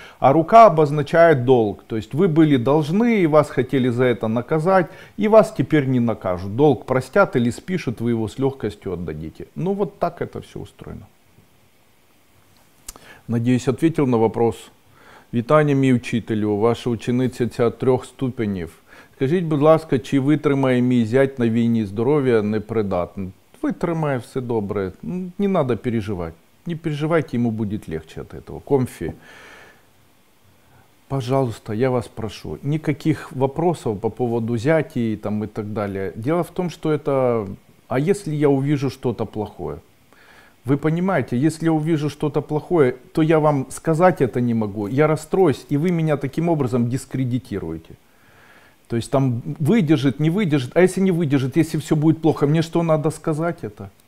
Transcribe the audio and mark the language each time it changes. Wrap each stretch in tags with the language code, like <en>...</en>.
<ru>А рука обозначает долг, то есть вы были должны, и вас хотели за это наказать, и вас теперь не накажут. Долг простят или спишут, вы его с легкостью отдадите. Ну вот так это все устроено. Надеюсь, ответил на вопрос.</ru> <uk>Вітання, мій учителю, ваша учениця ця трьох ступенів. Скажіть, будь ласка, чи витримає мій зять на війні здоров'я непридатне? Витримає, все добре.</uk> <ru>Не надо переживати.</ru> <uk>Не переживайте, йому буде легче від цього. Комфі.</uk> <ru>Пожалуйста, я вас прошу. Никаких вопросов по поводу зяті і там і так далі. Дело в тому,</ru> <uk>що</uk> <ru>это... А если я увижу что-то плохое? Вы понимаете, если я увижу что-то плохое, то я вам сказать это не могу. Я расстроюсь, и вы меня таким образом дискредитируете. То есть там выдержит, не выдержит. А если не выдержит, если все будет плохо, мне что надо сказать это?</ru>